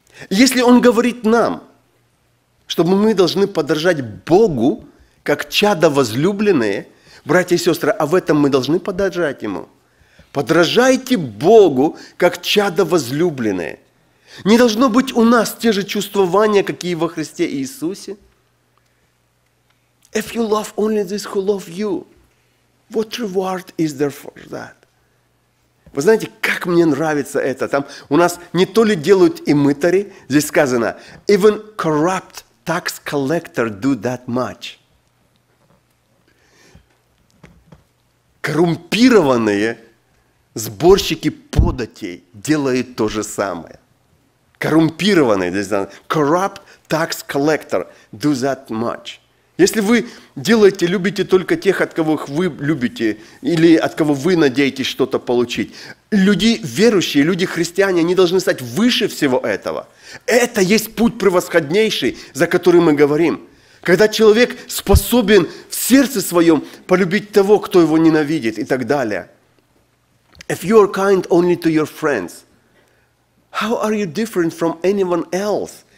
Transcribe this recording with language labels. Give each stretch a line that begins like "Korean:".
Russian: Если Он говорит нам, что мы должны подражать Богу, как чада возлюбленные, братья и сестры, а в этом мы должны подражать Ему. Подражайте Богу, как чада возлюбленные. Не должно быть у нас те же чувствования, какие во Христе Иисусе.
English: If you love only this who love you, what reward is there for that?
Russian: Вы знаете, как мне нравится это. Там у нас не то ли делают и мытари, здесь сказано,
English: even corrupt tax collector do that much.
Russian: Коррумпированные сборщики податей делают то же самое. Коррумпированные, здесь сказано,
English: corrupt tax collector do that much.
Russian: Если вы делаете, любите только тех, от кого вы любите, или от кого вы надеетесь что-то получить. Люди верующие, люди христиане, они должны стать выше всего этого. Это есть путь превосходнейший, за который мы говорим. Когда человек способен в сердце своем полюбить того, кто его ненавидит и так далее.
English: If you are kind only to your friends, how are you different from anyone else?